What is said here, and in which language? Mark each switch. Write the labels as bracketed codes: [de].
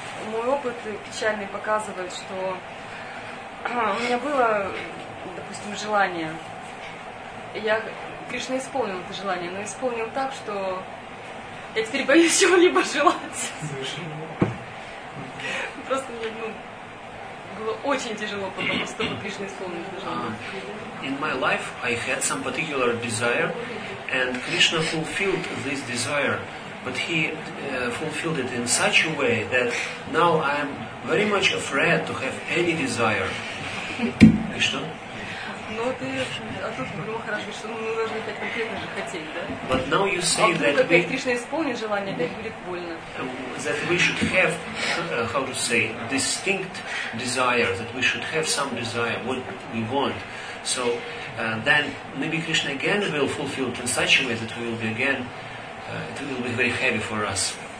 [ru] Мой опыт печальный показывает, что у меня было, допустим, желание. Я, Кришна, исполнил это желание, но исполнил так, что я теперь боюсь чего-либо желать. Просто мне, ну, было очень тяжело, потому что Кришна исполнил это желание. [en] In my life I had some particular desire, and Krishna fulfilled this desire. But he fulfilled it in such a way that now I am very much afraid to have any desire. [ru] И что? Ну, ты, а тут, ну, хорошо, что мы должны опять конкретно же хотеть, да? [en] But now you say that [ru] we... А вдруг опять Кришна исполнит желание, опять будет больно. [en] That we should have, how to say, distinct desire, that we should have some desire, what we want. So, then maybe Krishna again will fulfill it in such a way that we will be again... it will be very heavy for us.